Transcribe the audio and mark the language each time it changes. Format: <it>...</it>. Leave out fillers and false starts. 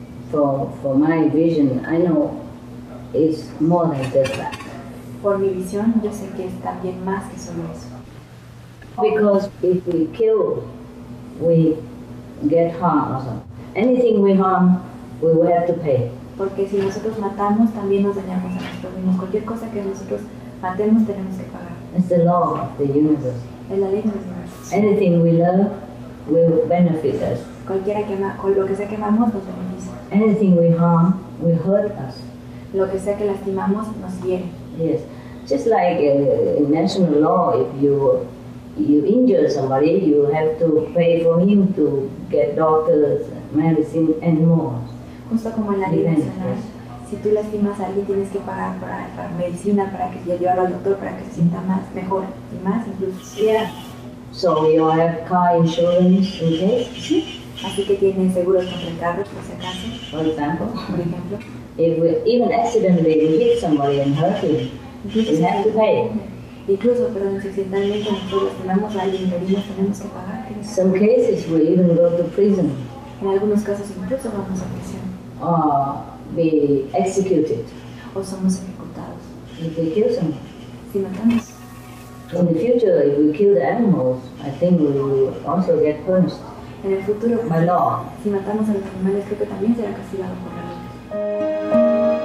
<en>For my vision, I know it's more than just that.</en> <es>Por mi visión, yo sé que es también más que solo eso.</es> <en>Because if we kill we get harmed or something. Anything we harm, we will have to pay.</en> <es>Porque si nosotros matamos, también nos dañamos a nosotros mismos. Cualquier cosa que nosotros matemos, tenemos que pagar.</es> <en>It's the law of the universe.</en> <es>Es la ley del universo.</es> <en>Anything we love will benefit us.</en> <es>Cualquiera que lo que sea que amamos, nos beneficia.</es> <en>Anything we harm will hurt us.</en> <es>Lo que sea que lastimamos, nos hiere.</es> <en>Yes. Just like in national law, if you injure somebody, you have to pay for him to get doctors, medicine, and more.</en> <es>Justo como en la ley nacional, si tú lastimas a alguien, tienes que pagar para medicina, para que te lleve al doctor, para que se sienta más, mejor y más, incluso.</es> <en>Yeah. So you have car insurance, okay?</en> <es>Sí. Así que tienen seguros contra el carro, por si acaso.</es> <en>For example.</en> <es>Por ejemplo.</es> <en>Even accidentally we hit somebody and hurt him, we have to pay.</en> <es>Incluso, pero accidentalmente nosotros lastimamos a alguien y morimos, tenemos que pagar.</es> <en>In some cases we even go to prison.</en> <es>En algunos casos incluso vamos a prisión.</es> <en>Or be executed.</en> <es>O somos ejecutados.</es> <en>If we kill someone.</en> <es>Si matamos.</es> <en>In the future, if we kill the animals, I think we will also get punished.</en> <es>En el futuro,</es> <en>by law.</en> <es>Si matamos a los animales, creo que también será castigado por la ley.</es>